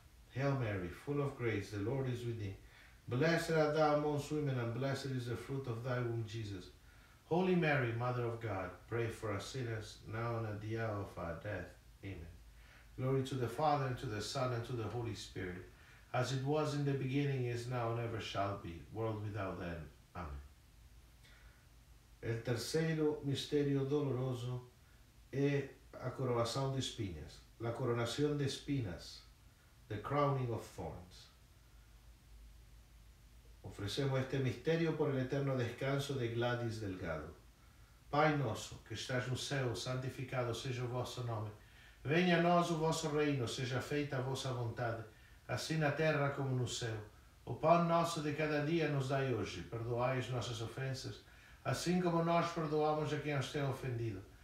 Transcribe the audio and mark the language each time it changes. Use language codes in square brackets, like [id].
[en] Hail Mary, full of grace, the Lord is with thee. Blessed art thou amongst women, and blessed is the fruit of thy womb, Jesus. Holy Mary, Mother of God, pray for us sinners, now and at the hour of our death. Amen. Glory to the Father, and to the Son, and to the Holy Spirit, as it was in the beginning, is now, and ever shall be, world without end. Amen. [es] El tercero misterio doloroso es la coronación de espinas. La coronación de espinas. [en] The crowning of thorns. [es] Ofrecemos este misterio por el eterno descanso de Gladys Delgado. [pt] Pai nosso, que estás no céu, santificado seja o vosso nome. Venha a nós o vosso reino, seja feita a vossa vontade, assim na terra como no céu. O pão nosso de cada dia nos dai hoje, perdoai as nossas ofensas, assim como nós perdoamos a quem os tem ofendido.